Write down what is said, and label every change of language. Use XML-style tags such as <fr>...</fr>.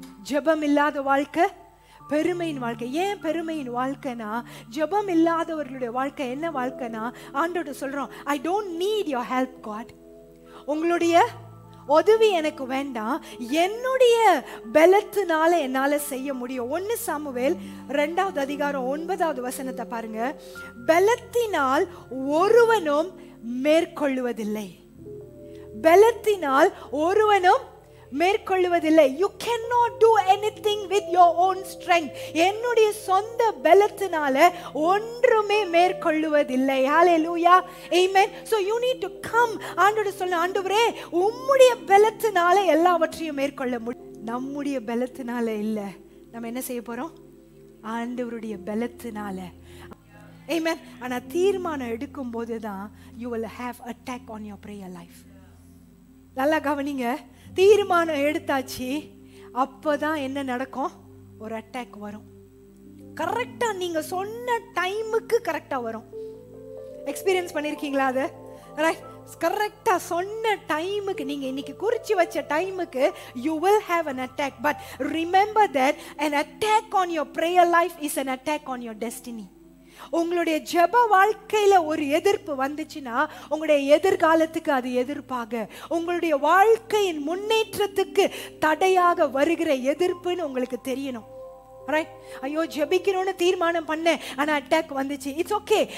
<ta>ஜெபம் இல்லாத வாழ்க்கை பெருமையின் வாழ்க்கை. ஏன் பெருமையின் வாழ்க்கைனா, ஜெபம் இல்லாதவர்களுடைய வாழ்க்கை என்ன வாழ்க்கைனா, ஆண்டவர் சொல்றோம்,</ta> <en>I don't need your help God,</en> <ta>உங்களுடைய உதவி எனக்கு வேண்டாம், என்னுடைய பலத்தினால என்னால செய்ய முடியும். 1 Samuel 2:9 பாருங்க, பலத்தினால் ஒருவனும் மேற்கொள்ளுவதில்லை. பலத்தினால் ஒருவனும் மேற்கொள்ளுவதில்லை.</ta> <en>You cannot do anything with your own strength.</en> <ta>என்னுடைய சொந்த பலத்தினால ஒன்றுமே மேற்கொள்ளுவதில்லை. Hallelujah. Amen.</ta> <en>So you need to come.</en> <ta>ஆண்டவரே சொல்ல, ஆண்டவரே உம்முடைய பலத்தினால எல்லாவற்றையும் மேற்கொள்ள முடியும். நம்முடைய பலத்தினால இல்ல, நம்ம என்ன செய்ய போறோம், ஆண்டவருடைய பலத்தினால. Amen. ஆனா தீர்மானம் எடுக்கும் போதுதான்</ta> <en>you will have attack on your prayer life.</en> <ta>நல்லா கவனிங்க. தீர்மானம் எடுத்தாச்சு அப்பதான் என்ன நடக்கும்? ஒரு அட்டாக் வரும். கரெக்டா நீங்க சொன்ன டைமுக்கு கரெக்டா வரும். எக்ஸ்பீரியன்ஸ் பண்ணிருக்கீங்களா அது? கரெக்டா சொன்ன டைமுக்கு, நீங்க இன்னைக்கு குறிச்சு வச்ச டைமுக்கு,</ta> <en>you will have an attack. But remember that an attack on your prayer life is an attack on your destiny.</en> <ta>உங்களுடைய ஜெப வாழ்க்கையில ஒரு எதிர்ப்பு வந்துச்சுன்னா உங்களுடைய எதிர்காலத்துக்கு அது எதிர்ப்பாக, உங்களுடைய வாழ்க்கையின் முன்னேற்றத்துக்கு தடையாக வருகிற எதிர்ப்புன்னு உங்களுக்கு தெரியணும். ஐயோ ஜெபிக்கணும்னு தீர்மானம் பண்ணேன் ஆனா அட்டாக் வந்துச்சு.</ta> <en>It's okay.</en>